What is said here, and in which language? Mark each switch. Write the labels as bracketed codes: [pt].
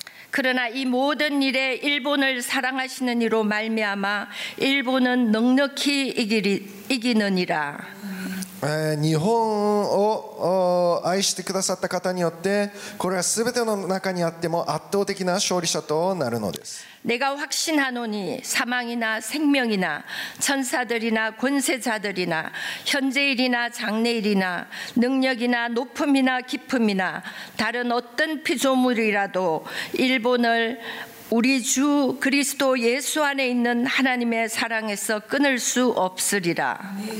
[ko] 그러나 이 모든 일에 일본을 사랑하시는 이로 말미암아 일본은 넉넉히 이기는이라. [ja] 日本を愛してくださった方によってこれは全ての中にあっても圧倒的な勝利者となるのです。 [ko] 내가 확신하노니 사망이나 생명이나 천사들이나 권세자들이나 현재일이나 장래일이나 능력이나 높음이나 깊음이나 다른 어떤 피조물이라도 일본을 우리 주 그리스도 예수 안에 있는 하나님의 사랑에서 끊을 수 없으리라.